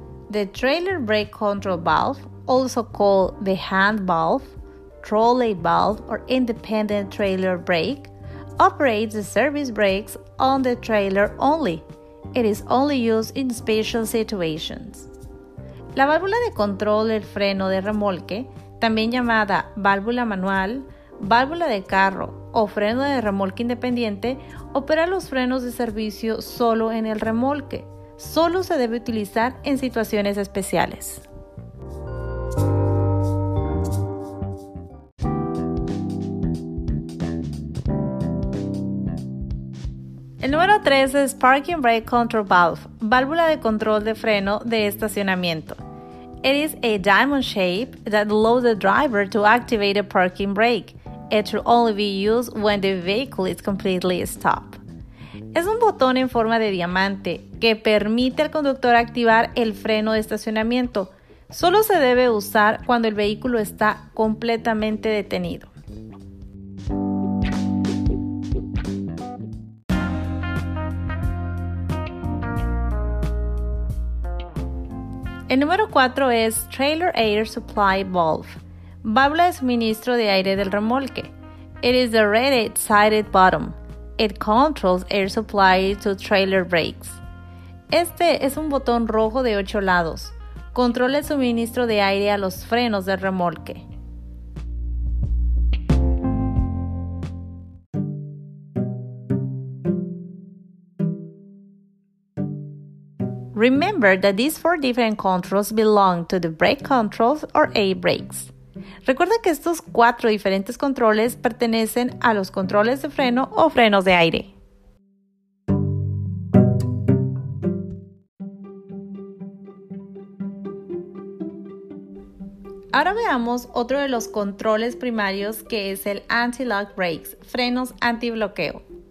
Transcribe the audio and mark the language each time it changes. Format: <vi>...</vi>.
<en>The Trailer Brake Control Valve, also called the Hand Valve, Trolley Valve, or Independent Trailer Brake, operates the service brakes on the trailer only. It is only used in special situations.</en> <es>La válvula de control del freno de remolque, también llamada válvula manual, válvula de carro o freno de remolque independiente, opera los frenos de servicio solo en el remolque. Solo se debe utilizar en situaciones especiales. El número 3 es</es> <en>Parking Brake Control Valve,</en> <es>válvula de control de freno de estacionamiento.</es> <en>It is a diamond shape that allows the driver to activate a parking brake. It should only be used when the vehicle is completely stopped.</en> <es>Es un botón en forma de diamante que permite al conductor activar el freno de estacionamiento. Solo se debe usar cuando el vehículo está completamente detenido. El número 4 es</es> <en>Trailer Air Supply Valve.</en> <es>Válvula de suministro de aire del remolque.</es> <en>It is the red-sided bottom. It controls air supply to trailer brakes.</en> <es>Este es un botón rojo de 8 lados. Controla el suministro de aire a los frenos del remolque.</es> <en>Remember that these 4 different controls belong to the brake controls or A-brakes.</en> <es>Recuerda que estos 4 diferentes controles pertenecen a los controles de freno o frenos de aire. Ahora veamos otro de los controles primarios, que es el</es> <en>anti-lock brakes,</en> <es>frenos antibloqueo.</es>